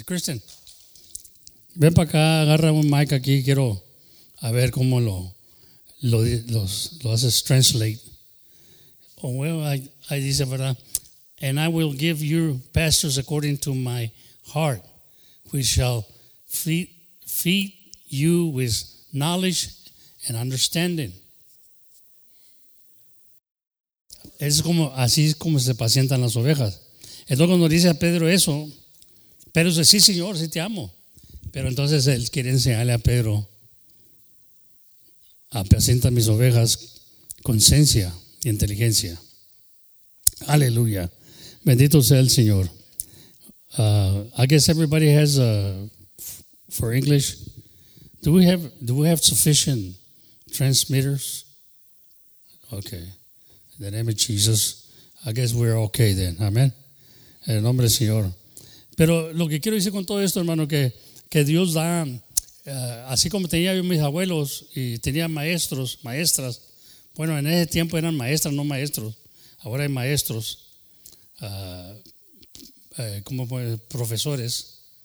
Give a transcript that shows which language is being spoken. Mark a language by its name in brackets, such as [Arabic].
[Spanish] Christian, ven para acá, agarra un mic aquí, quiero a ver cómo lo haces translate. [English] Oh, well, I [Spanish] dice, ¿verdad? [English] And I will give you pastors according to my heart, which shall feed you with knowledge and understanding. [Spanish] Es como, así es como se pacientan las ovejas. Entonces cuando dice a Pedro eso, Pedro dice, sí, Señor, sí te amo. Pero entonces él quiere enseñarle a Pedro, apacienta mis ovejas con esencia y inteligencia. Aleluya. Bendito sea el Señor. [English] I guess everybody has, for English, do we have sufficient transmitters? Okay. In the name of Jesus, I guess we're okay then. [Spanish] Amen. En el nombre del Señor. Pero lo que quiero decir con todo esto, hermano, que Dios da, así como tenía yo mis abuelos y tenía maestros, maestras. Bueno, en ese tiempo eran maestras, no maestros. Ahora hay maestros, como profesores.